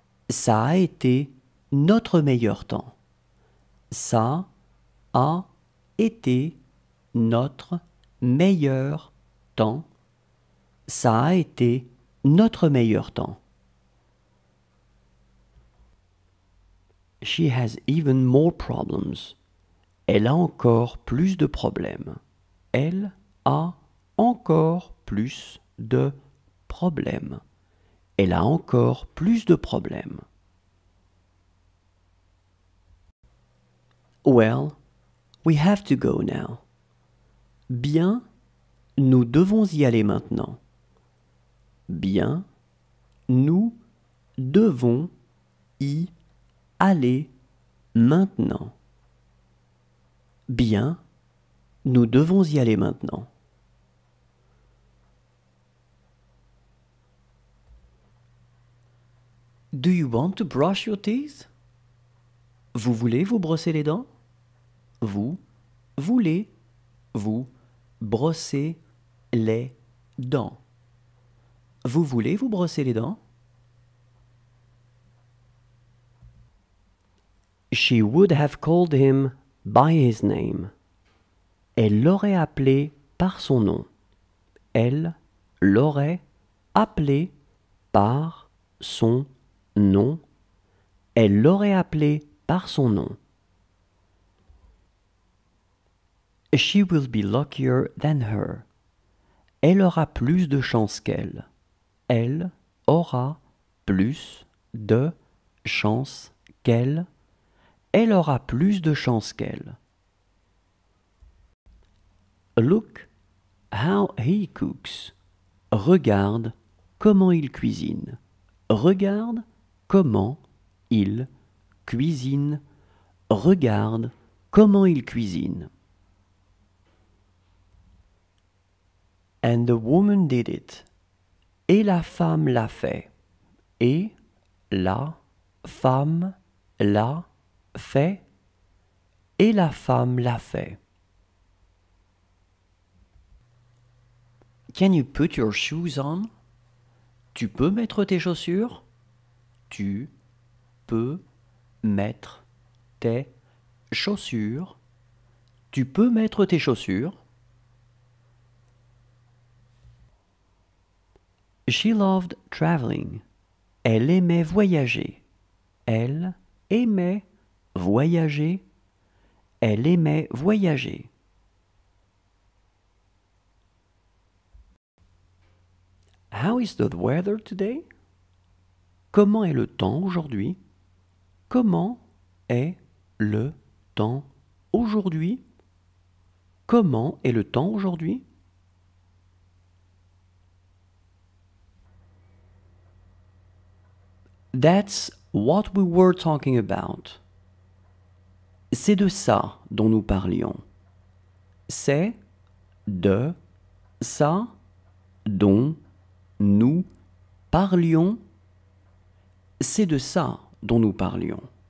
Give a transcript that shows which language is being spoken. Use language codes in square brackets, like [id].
[fr] Ça a été notre meilleur temps. Ça a été notre meilleur temps. Ça a été notre meilleur temps. [en] She has even more problems. [fr] Elle a encore plus de problèmes. Elle a encore plus de problèmes. Elle a encore plus de problèmes. [en] Well, we have to go now. [fr] Bien, nous devons y aller maintenant. Bien, nous devons y aller maintenant. Bien, nous devons y aller maintenant. [en] Do you want to brush your teeth? [fr] Vous voulez vous brosser les dents? Vous voulez vous brosser les dents? Vous voulez vous brosser les dents? [en] She would have called him by his name. [fr] Elle l'aurait appelé par son nom. Elle l'aurait appelé par son nom. Non, elle l'aurait appelé par son nom. [en] She will be luckier than her. [fr] Elle aura plus de chance qu'elle. Elle aura plus de chance qu'elle. Elle aura plus de chance qu'elle. [en] Look how he cooks. [fr] Regarde comment il cuisine. Regarde. Comment il cuisine? Regarde comment il cuisine. [en] And the woman did it. [fr] Et la femme l'a fait. Et la femme l'a fait. Et la femme l'a fait. [en] Can you put your shoes on? [fr] Tu peux mettre tes chaussures? Tu peux mettre tes chaussures. Tu peux mettre tes chaussures. [en] She loved traveling. [fr] Elle aimait voyager. Elle aimait voyager. Elle aimait voyager. [en] How is the weather today? [fr] Comment est le temps aujourd'hui? Comment est le temps aujourd'hui? Comment est le temps aujourd'hui? [en] That's what we were talking about. [fr] C'est de ça dont nous parlions. C'est de ça dont nous parlions. C'est de ça dont nous parlions.